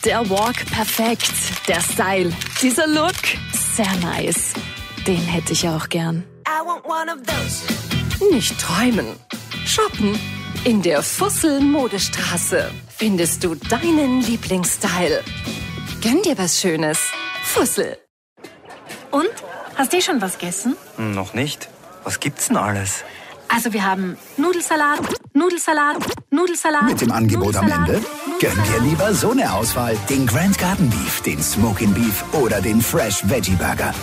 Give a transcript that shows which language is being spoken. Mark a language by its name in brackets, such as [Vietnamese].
[German] Walk perfekt, der Style, dieser Look, sehr nice. Den hätte ich auch gern. [English] I want one of those. [German] Nicht träumen, shoppen in der Fussel Modestraße. Findest du deinen Lieblingsstyle. Gönn dir was Schönes, Fussel. Und, hast du schon was gegessen? Noch nicht, was gibt's denn alles? Also wir haben Nudelsalat, Nudelsalat, Nudelsalat. Mit dem Angebot am Ende? Gönn dir lieber so eine Auswahl. Den Grand Garden Beef, den Smoking Beef oder den Fresh Veggie Burger.